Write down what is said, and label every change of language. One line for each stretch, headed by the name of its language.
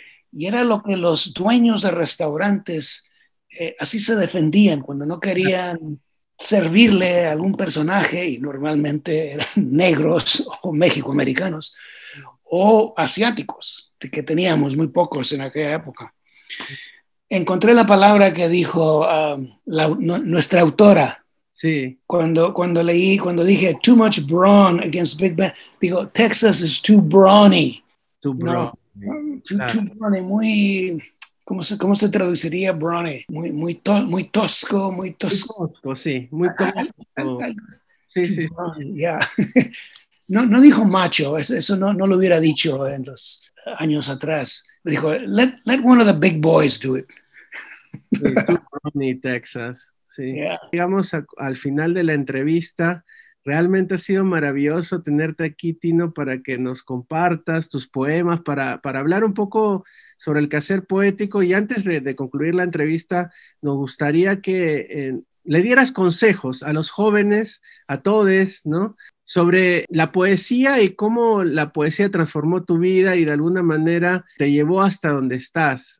Spanish: Y era lo que los dueños de restaurantes, así se defendían cuando no querían servirle a algún personaje, y normalmente eran negros o mexicoamericanos o asiáticos, que teníamos muy pocos en aquella época. Encontré la palabra que dijo nuestra autora. Sí. Cuando dije
English: "too much brawn against Big Ben",
Spanish: digo,
English: "Texas is too brawny." Too brawny. No, too brawny, muy...
Spanish: ¿Cómo se traduciría brawny? Muy tosco, muy tosco. Muy tosco, sí. Muy tosco. Sí, sí.
English: Yeah.
Spanish: No dijo macho, eso no lo hubiera dicho en los años atrás.
English: Dijo, let one of the big boys do it. Too brawny, Texas. Sí. Yeah.
Spanish: Digamos, al final de la entrevista, realmente ha sido maravilloso tenerte aquí, Tino, para que nos compartas tus poemas, para hablar un poco sobre el quehacer poético. Y antes de concluir la entrevista, nos gustaría que le dieras consejos a los jóvenes, a todos, ¿no?, sobre la poesía y cómo la poesía transformó tu vida y de alguna manera te llevó hasta donde estás.